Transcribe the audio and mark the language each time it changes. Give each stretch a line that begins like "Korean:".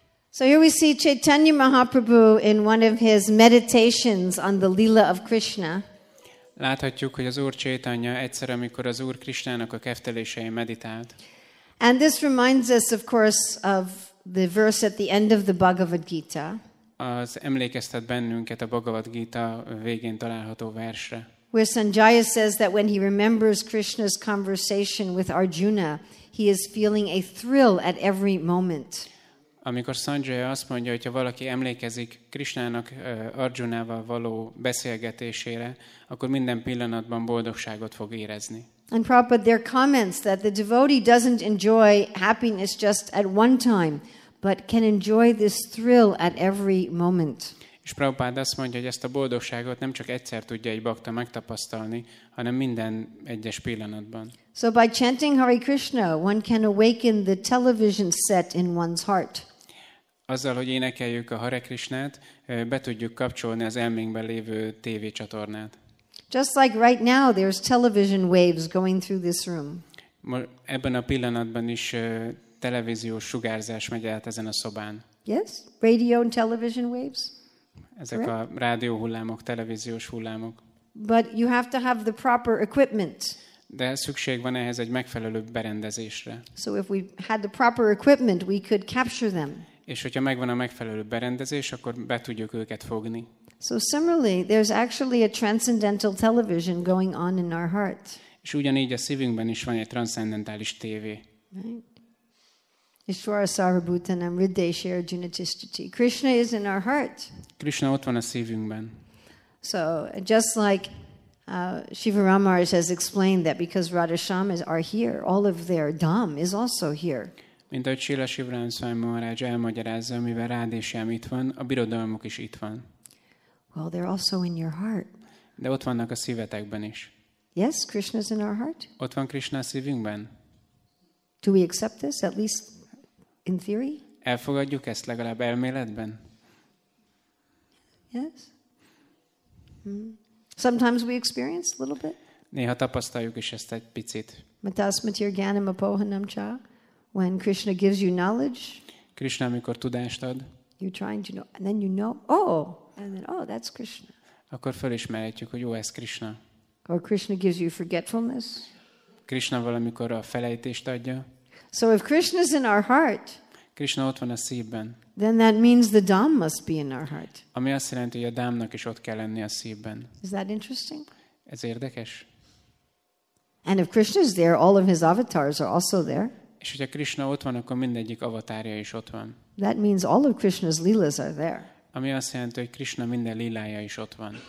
English: So here we see Chaitanya Mahaprabhu in one of his meditations on the Leela of Krishna.
Hungarian: Láthatjuk, hogy az Úr Chaitanya egyszer, amikor az Úr Krishnának a keftelésein meditált.
English: And this reminds us, of course, of the verse at the end of the Bhagavad Gita.
Hungarian: Az emlékeztet bennünket a Bhagavad Gita végén található versre.
English: where Sanjaya says that when he remembers Krishna's conversation with Arjuna, he is feeling a thrill at every moment.
Hungarian: Amikor Sanjaya azt mondja, hogy ha valaki emlékezik Krishnának Arjunával való beszélgetésére, akkor minden pillanatban boldogságot fog érezni.
English: And Prabhupada there comments that the devotee doesn't enjoy happiness just at one time, but can enjoy this thrill at every moment.
Hungarian: És Prabhupada azt mondja, hogy ezt a boldogságot nem csak egyszer tudja egy bhakta megtapasztalni, hanem minden egyes pillanatban.
English: So by chanting Hare Krishna, one can awaken the television set in one's heart.
Hungarian: Azzal, hogy énekeljük a Hare Krishnát, be tudjuk kapcsolni az elménkben lévő TV csatornát.
English: Just like right now, there's television waves going through this room.
Hungarian: Ebben a pillanatban is televíziós sugárzás megy át ezen a szobán.
English: Yes, radio and television waves.
Hungarian: Ezek a rádió hullámok, televíziós hullámok.
English: But you have to have the proper equipment.
Hungarian: De szükség van ehhez egy megfelelő berendezésre.
English: So if we had the proper equipment, we could capture them.
Hungarian: És hogyha megvan a megfelelő berendezés, akkor be tudjuk őket fogni.
English: So similarly, there's actually a transcendental television going on in our heart.
Hungarian: És ugyanígy a szívünkben is van egy transzcendentális tévé.
Sanskrit: Ishvara Sarvabhutanam Riddheshe Arjuna Tishtati.
English: Krishna is in our heart.
Hungarian: Krishna ott van a szívünkben.
English: So just like Shiva Ramar has explained that because Radha Shyamas are here, all of their dham is also here.
Hungarian: Mint ahogy Shila Shivaram Swami Maharaj elmagyarázza, mivel Radha Shyam itt van, a birodalmuk is itt van.
English: Well, they're also in your heart.
Hungarian: De ott vannak a szívetekben is.
English: Yes, Krishna's in our heart.
Hungarian: Ott van Krishna a szívünkben.
English: Do we accept this, at least in theory?
Hungarian: Elfogadjuk ezt legalább elméletben?
English: Yes. Sometimes we experience a little bit.
Hungarian: Néha tapasztaljuk is ezt egy picit.
Sanskrit: Matasmatir gyanam apohanam cha.
English: When Krishna gives you knowledge.
Hungarian: Krishna, amikor tudást ad.
English: You're trying to know, and then you know. Oh, and then oh, that's Krishna.
Hungarian: Akkor felismerhetjük, hogy jó, ez Krishna.
English: Or Krishna gives you forgetfulness.
Hungarian: Krishna valamikor a felejtést adja.
English: So if Krishna's in our heart.
Hungarian: Krishna ott van a szívben.
English: Then that means the dham must be in our heart.
Hungarian: Ami azt jelenti, hogy a dhamnak is ott kell lenni a szívben.
English: Is that interesting?
Hungarian: Ez érdekes.
English: And if Krishna is there, all of his avatars are also there.
Hungarian: És hogyha Krishna ott van, akkor mindegyik avatárja is ott van.
English: That means all of Krishna's lilas are there.
Hungarian: Ami azt jelenti, hogy Krishna minden lilája is ott van.